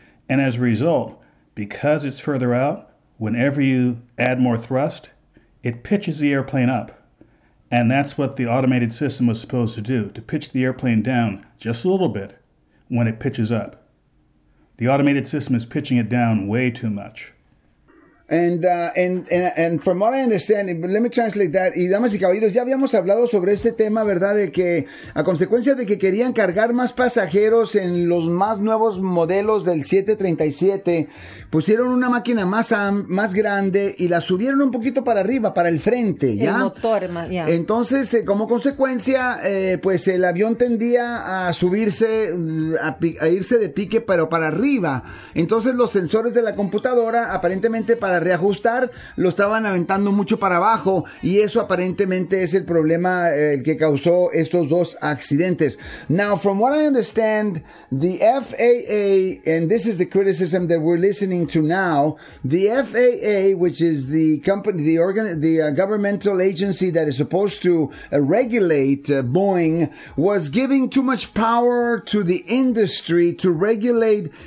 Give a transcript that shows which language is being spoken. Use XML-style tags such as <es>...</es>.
<en>And as a result, because it's further out, whenever you add more thrust, it pitches the airplane up. And that's what the automated system was supposed to do, to pitch the airplane down just a little bit when it pitches up. The automated system is pitching it down way too much. And from what I understand, let me translate that.</en> <es>Y damas y caballeros, ya habíamos hablado sobre este tema, ¿verdad? De que a consecuencia de que querían cargar más pasajeros en los más nuevos modelos del 737, pusieron una máquina más grande y la subieron un poquito para arriba, para el frente, ¿ya? El motor, ya. Entonces, como consecuencia, pues el avión tendía a subirse, a irse de pique, pero para arriba. Entonces, los sensores de la computadora, aparentemente para reajustar, lo estaban aventando mucho para abajo y eso aparentemente es el problema el que causó estos dos accidentes.</es> <en>Now, from what I understand, the FAA, and this is the criticism that we're listening to now, the FAA, which is the company, governmental agency that is supposed to regulate Boeing, was giving too much power to the industry to regulate</en>